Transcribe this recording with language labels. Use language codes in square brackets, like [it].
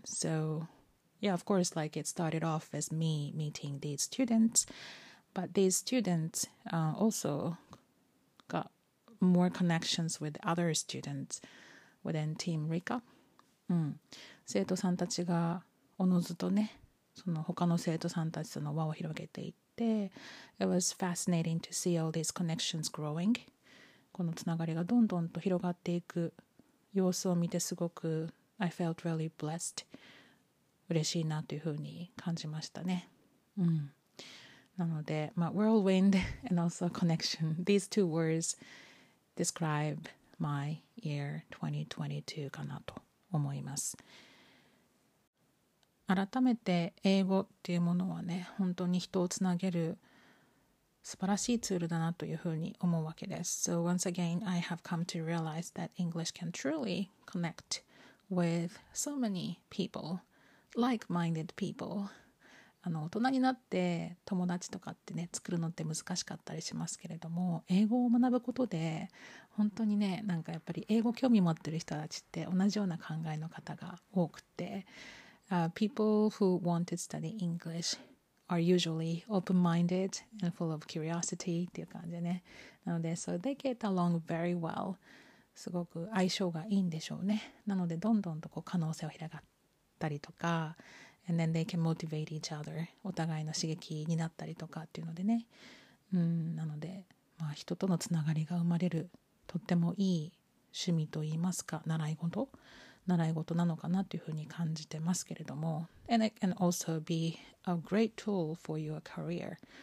[en] So yeah of course like it started off as me meeting these students but these students also got more connections with other students within Team Rika、 mm. [ja] 生徒さんたちがおのずとねその他の生徒さんたちとの輪を広げていって [en] It was fascinating to see all these connections growing. [ja] このつながりがどんどんと広がっていく様子を見てすごく [en] I felt really blessed. [ja] 嬉しいなというふうに感じましたね。うん、なので、まあ、 [en] whirlwind and also connection. These two words describe my year 2022 [ja] かなと思います。改めて英語っていうものはね本当に人をつなげる素晴らしいツールだなというふうに思うわけです [en] So once again I have come to realize that English can truly connect with so many people like-minded people [ja] 大人になって友達とかってね作るのって難しかったりしますけれども英語を学ぶことで本当にねなんかやっぱり英語興味持ってる人たちって同じような考えの方が多くて [en] People who want to study English are usually open-minded and full of curiosity [ja] っていう感じね。なので、 [en] so they get along very well. [ja] すごく相性がいいんでしょうね。なので、どんどんとこう可能性を広がったりとか、 [en] and then they can motivate each other. [ja] お互いの刺激になったりとかっていうのでね。なので、まあ、人とのつながりが生まれるとってもいい趣味といいますか、習い事。習い事なのかなというふうに感じてますけれども [en] And it can also be a great tool for your career